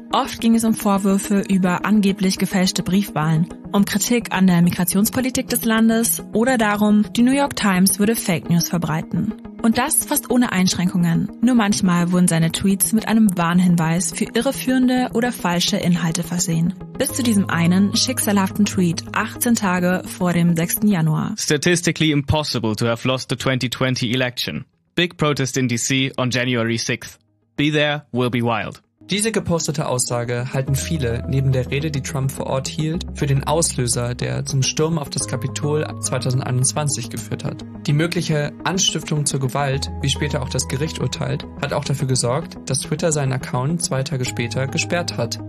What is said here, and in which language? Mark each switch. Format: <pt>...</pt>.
<de>Oft ging es um Vorwürfe über angeblich gefälschte Briefwahlen, um Kritik an der Migrationspolitik des Landes oder darum, die New York Times würde Fake News verbreiten. Und das fast ohne Einschränkungen. Nur manchmal wurden seine Tweets mit einem Warnhinweis für irreführende oder falsche Inhalte versehen. Bis zu diesem einen schicksalhaften Tweet 18 Tage vor dem 6. Januar.</de> <en>Statistically impossible to have lost the 2020 election. Big protest in DC on January 6th. Be there, we'll be wild.</en> <de>Diese gepostete Aussage halten viele neben der Rede, die Trump vor Ort hielt, für den Auslöser, der zum Sturm auf das Kapitol ab 2021 geführt hat. Die mögliche Anstiftung zur Gewalt, wie später auch das Gericht urteilt, hat auch dafür gesorgt, dass Twitter seinen Account 2 Tage später gesperrt hat.</de>